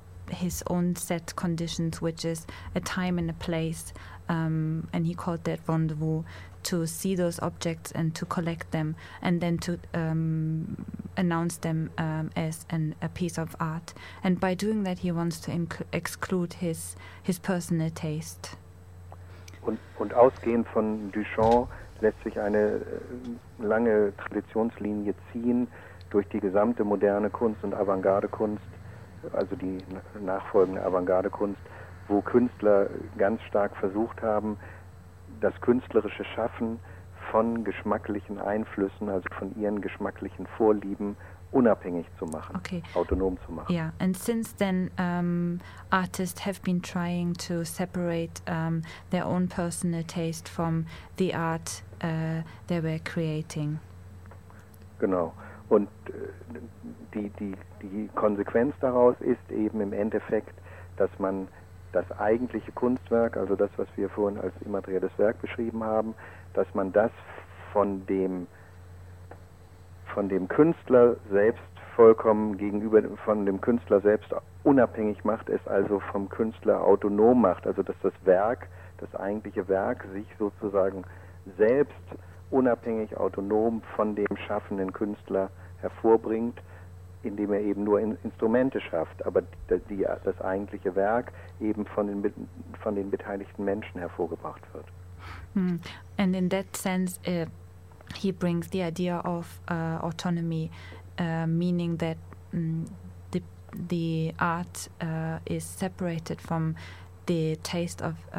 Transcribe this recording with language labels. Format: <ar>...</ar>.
<en>his own set conditions, which is a time and a place, and he called that rendezvous, to see those objects and to collect them and then to announce them as a piece of art. And by doing that, he wants to exclude his personal taste.</en> <de>Und ausgehend von Duchamp lässt sich eine lange Traditionslinie ziehen durch die gesamte moderne Kunst und Avantgarde-Kunst, also die nachfolgende Avantgarde-Kunst, wo Künstler ganz stark versucht haben, das künstlerische Schaffen von geschmacklichen Einflüssen, also von ihren geschmacklichen Vorlieben, unabhängig zu machen, okay, autonom zu machen.</de> <en>Yeah, and since then, artists have been trying to separate their own personal taste from the art they were creating.</en> <de>Genau. Und die Konsequenz daraus ist eben im Endeffekt, dass man das eigentliche Kunstwerk, also das, was wir vorhin als immaterielles Werk beschrieben haben, dass man das von dem Künstler selbst vollkommen gegenüber, von dem Künstler selbst unabhängig macht, es also vom Künstler autonom macht, also dass das Werk, das eigentliche Werk, sich sozusagen selbst unabhängig, autonom von dem schaffenden Künstler hervorbringt, indem er eben nur Instrumente schafft, aber das eigentliche Werk eben von den beteiligten Menschen hervorgebracht wird.</de> <en>And in that sense, he brings the idea of autonomy, meaning that the art is separated from the taste of</en>